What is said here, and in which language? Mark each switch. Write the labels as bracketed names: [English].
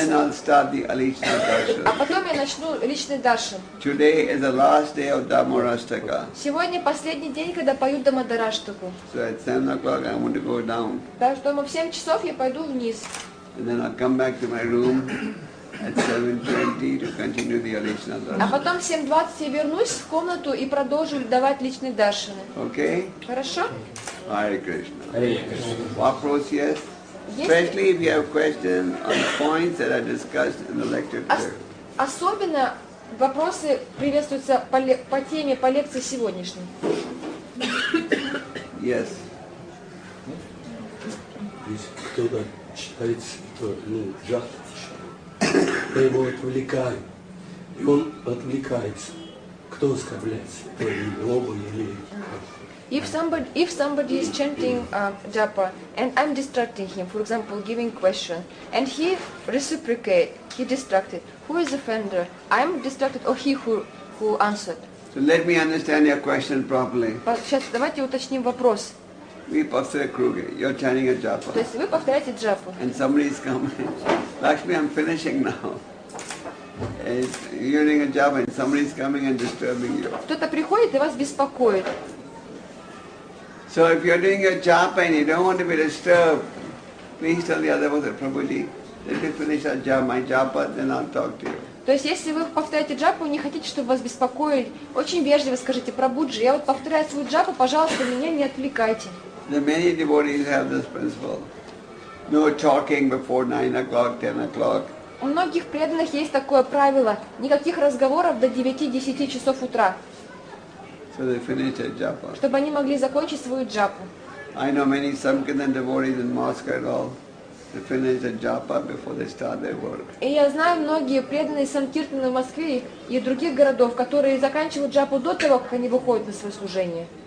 [English] And then I'll start the [Russian] личный даршан. А потом я начну личный даршан. [English] Today is the last day of Дамараштака. [Russian] Сегодня последний день, когда поют Дамараштаку. [English] So at 7 o'clock I'm going to go down. [Russian] Так что в 7 часов я пойду вниз. [English] And then I'll come back to my room at 7:20 to continue the [Russian] личный даршан. А потом в 7:20 я вернусь в комнату и продолжу давать личный даршан. [English] Okay. [Russian] Хорошо. [English] Hare Krishna. Hare [Russian] Krishna. Вопросы есть? [English] Yes. Especially if you have questions on the points that I discussed in the lecture today. [Russian] Особенно вопросы приветствуются по теме, по лекции сегодняшней. [English] Yes. [Russian] Если кто-то читает, жадно, я его отвлекаю, и он отвлекается. Кто оскорбляется? То ли оба, или... [English] If somebody is chanting japa and I'm distracting him, for example, giving question, and he reciprocate, he distracted. Who is offender? I'm distracted, or he who answered? So let me understand your question properly. [Russian] Сейчас давайте уточним вопрос. [English] We pass a [Russian] круге. [English] You're chanting a japa. [Russian] То есть вы повторяете джапу. [English] And somebody is coming. Lakshmi, I'm finishing now. And you're doing a japa, and somebody is coming and disturbing you. [Russian] Кто-то приходит и вас беспокоит. [English] So if you're doing your japa and you don't want to be disturbed, please tell the other person, Prabhuji, let me finish our japa, my japa, then I'll talk to you. [Russian] То есть если вы повторяете джапу и не хотите, чтобы вас беспокоили, очень вежливо скажите, Прабуджи, я вот повторяю свою джапу, пожалуйста, меня не отвлекайте. [English] The many devotees have this principle. No talking before 9 o'clock, 10 o'clock. [Russian] У многих преданных есть такое правило, никаких разговоров до 9-10 часов утра. [English] So they finish their japa. [Russian] Чтобы они могли закончить свою джапу. [English] I know many Sankirtan devotees in Moscow and all. They finish their japa before they start their work. [Russian] И я знаю многие преданные Санкиртаны в Москве и других городов, которые заканчивают джапу до того, как они выходят на свое служение.